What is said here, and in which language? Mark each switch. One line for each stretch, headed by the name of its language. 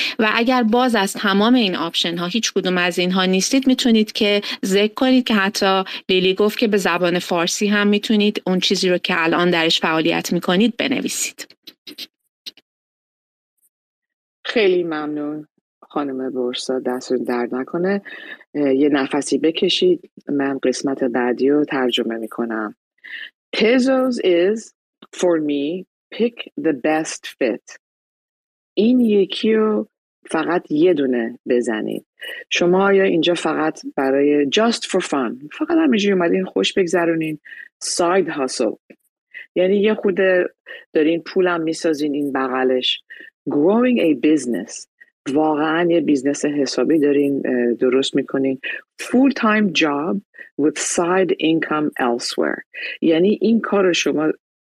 Persian: و اگر باز از تمام این آپشن ها هیچ کدوم از اینها نیستید، میتونید که ذکر کنید که حتی لیلی گفت که به زبان فارسی هم میتونید اون چیزی رو که الان درش فعالیت میکنید بنویسید. خیلی ممنون خانم بورسا، دستون درد نکنه، یه نفسی بکشید، من قسمت بعدی رو ترجمه میکنم.
English: Tezos is for me pick the best fit.
Persian: این یکی رو فقط یه دونه بزنید. شما یا اینجا فقط برای
English: just for fun،
Persian: فقط همینجوری اومدین خوش بگذرونین،
English: side hustle،
Persian: یعنی یه خوده دارین پولم میسازین این بغلش،
English: growing a business،
Persian: واقعا یه بیزنس حسابی دارین درست میکنین،
English: full time job with side income elsewhere،
Persian: یعنی این کار شما.